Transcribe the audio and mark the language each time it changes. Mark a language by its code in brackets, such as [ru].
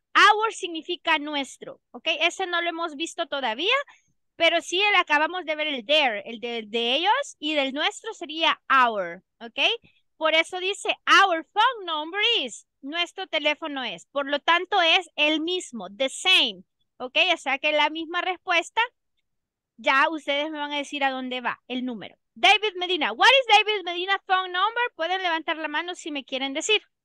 [es] Our significa nuestro, ¿ok? Ese no lo hemos visto todavía, pero sí el, acabamos de ver el their, el de ellos, y del nuestro sería our, ¿ok? Por eso dice [en] our phone number is... [es] Nuestro teléfono es, por lo tanto es el mismo, [en] the same, [es] ¿ok? O sea que la misma respuesta, ya ustedes me van a decir a dónde va el número. [en] David Medina, what is David Medina's phone number? [es] Pueden levantar la mano si me quieren decir.